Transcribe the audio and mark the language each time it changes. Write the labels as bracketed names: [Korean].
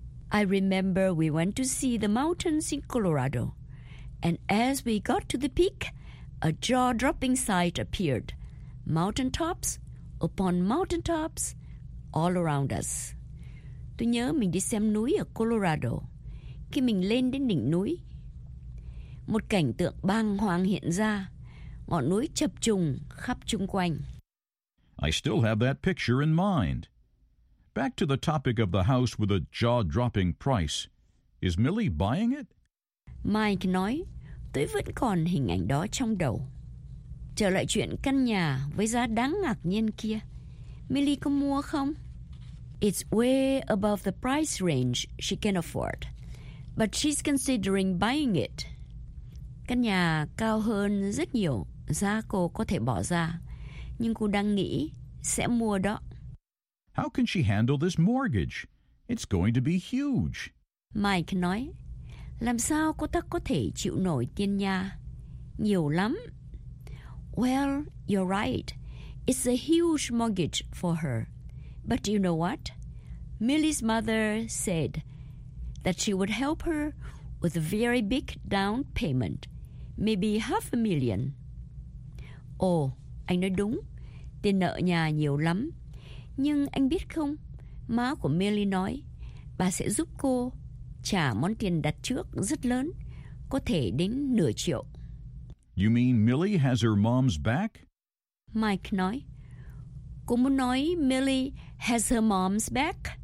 [English] I remember we went to see the mountains in Colorado, and as we got to the peak, a jaw-dropping sight appeared. Mountaintops upon mountaintops all around us. [Vietnamese] Tôi nhớ mình đi xem núi ở Colorado. Khi mình lên đến đỉnh núi, một cảnh tượng bàng hoàng hiện ra, ngọn núi chập trùng khắp chung quanh. [English] I still have that picture in mind. Back to the topic of the house with a jaw-dropping price. Is Millie buying it? [Vietnamese] Mike nói, tôi vẫn còn hình ảnh đó trong đầu. Trở lại chuyện căn nhà với giá đáng ngạc nhiên kia. Millie có mua không? [English] It's way above the price range she can afford. But she's considering buying it. [Vietnamese] Căn nhà cao hơn rất nhiều giá cô có thể bỏ ra. Nhưng cô đang nghĩ sẽ mua đó. [English] How can she handle this mortgage? It's going to be huge. [Vietnamese] Mike nói, làm sao cô ta có thể chịu nổi tiền nhà? Nhiều lắm. [English] Well, you're right. It's a huge mortgage for her. But you know what? Millie's mother said that she would help her with a very big down payment. Maybe 500,000. [Vietnamese] Oh, anh nói đúng. Tiền nợ nhà nhiều lắm. Nhưng anh biết không, má của Millie nói, bà sẽ giúp cô trả món tiền đặt trước rất lớn, có thể đến 500,000. [English] You mean Millie has her mom's back? [Vietnamese] Mike nói, cô muốn nói Millie [English] has her mom's back?